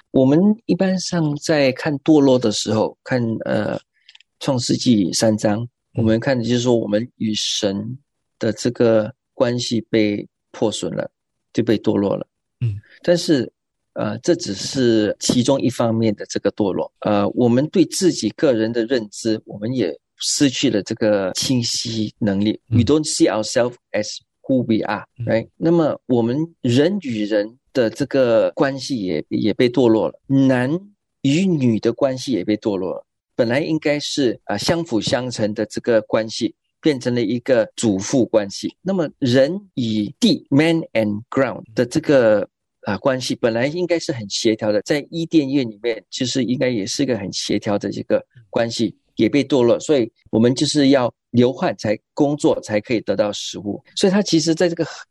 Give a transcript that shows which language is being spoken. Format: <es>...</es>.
<zh>我们一般上在看堕落的时候，看创世纪三章，我们看的就是说我们与神的这个关系被破损了，就被堕落了。嗯，但是这只是其中一方面的这个堕落。我们对自己个人的认知，我们也失去了这个清晰能力。</zh> <en>We don't see ourselves as who we are, right?</en> <zh>那么我们人与人的这个关系也被堕落了。男与女的关系也被堕落了。本来应该是相辅相成的这个关系，变成了一个主父关系。那么人与地 ,</zh> <en>man and ground</en> <zh>的这个关系本来应该是很协调的，在伊甸园里面其实应该也是一个很协调的一个关系，也被堕落，所以我们就是要流汗才工作才可以得到食物，所以他其实在这个</zh>